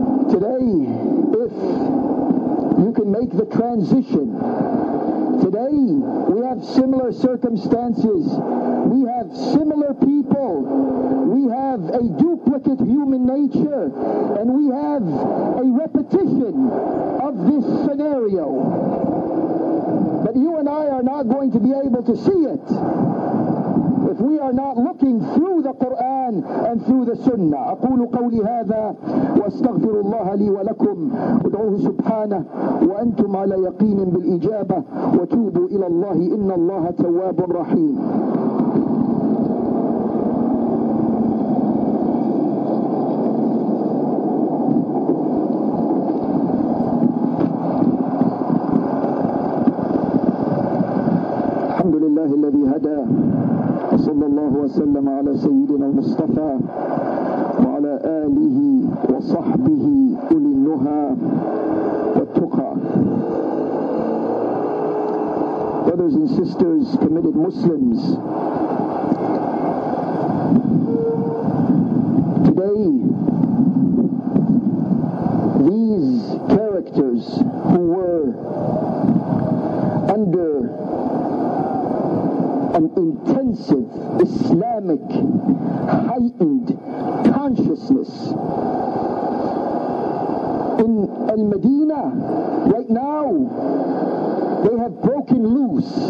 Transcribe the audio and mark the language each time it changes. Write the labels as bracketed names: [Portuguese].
[English] Today, if you can make the transition, today we have similar circumstances, we have similar people, we have a duplicate human nature, and we have a repetition of this scenario. But you and I are not going to be able to see it if we are not looking through the Quran and through the Sunnah. [Arabic] أقول قولي هذا واستغفر الله لي ولكم ودعوه سبحانه وأنتم على يقين بالإجابة وتوبوا إلى الله إن الله تواب رحيم. الحمد لله الذي هدى صلى الله وسلم على سيدنا المصطفى وعلى آله وصحبه أولي النهى والتقى. [English] Brothers and sisters, committed Muslims, today these characters who were under an intensive Islamic heightened consciousness in Al-Madinah, right now they have broken loose.